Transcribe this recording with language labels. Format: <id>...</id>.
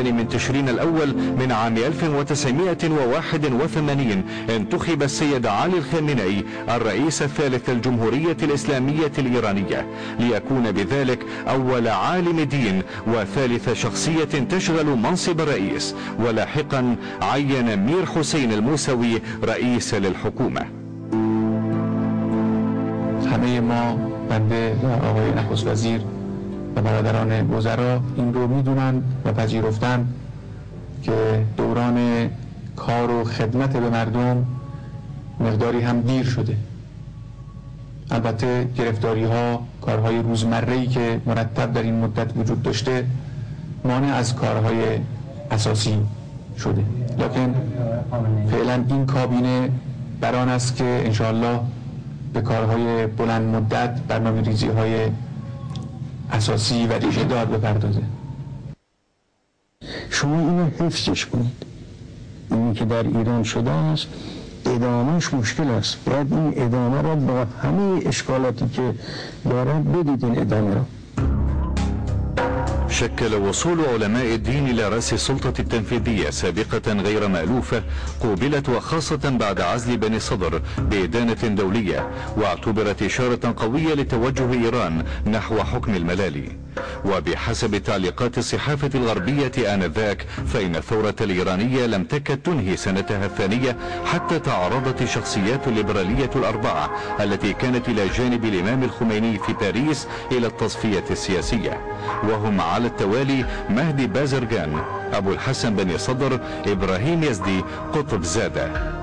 <ar>تشرين الأول من عام 1981 انتخب السيد علي الخامنئي الرئيس الثالث للجمهورية الإسلامية الإيرانية، ليكون بذلك أول عالم دين وثالث شخصية تشغل منصب الرئيس، ولاحقا عين مير حسين الموسوي رئيس للحكومة.</ar> <fa>همه ما بنده آقای نخست وزیر و برادران وزرا این رو میدونن و پذیرفتن که دوران کار و خدمت به مردم مقداری هم دیر شده. البته گرفتاری ها، کارهای روزمره‌ای که مرتب در این مدت وجود داشته مانع از کارهای اساسی شده، لیکن فعلا این کابینه بران است که انشاءالله به کارهای بلند مدت، برنامه ریزی های اساسی و ریشه دار بپردازه. شما اینو حفظش کنید، اینی که در ایران شده است ادامهش مشکل است، باید این ادامه را با همه اشکالاتی که دارن بدید این ادامه را.</fa> <ar>شكل وصول علماء الدين إلى رأس السلطة التنفيذية سابقة غير مألوفة قوبلت، وخاصة بعد عزل بني صدر، بإدانة دولية، واعتبرت إشارة قوية لتوجه إيران نحو حكم الملالي. وبحسب تعليقات الصحافة الغربية آنذاك، فإن الثورة الإيرانية لم تكد تنهي سنتها الثانية حتى تعرضت الشخصيات الليبرالية الأربعة التي كانت إلى جانب الإمام الخميني في باريس إلى التصفية السياسية، وهم على التوالي مهدي بازرغان، أبو الحسن بن صدر، إبراهيم يزدي، قطب زادة.</ar>